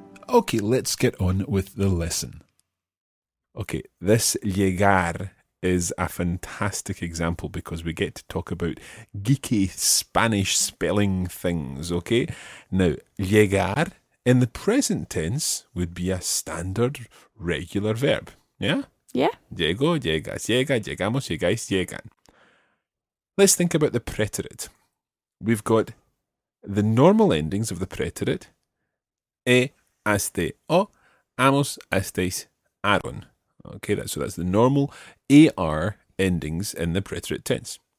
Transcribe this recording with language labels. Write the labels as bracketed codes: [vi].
[en] Okay, let's get on with the lesson. Okay, this llegar is a fantastic example because we get to talk about geeky Spanish spelling things, okay? Now, llegar in the present tense would be a standard regular verb, yeah? Yeah. [es] Llego, llegas, llega, llegamos, llegáis, llegan. [en] Let's think about the preterite. We've got the normal endings of the preterite. [es] E, haste, o, amos, hasteis, aron. [en] Okay, that's the normal AR endings in the preterite tense.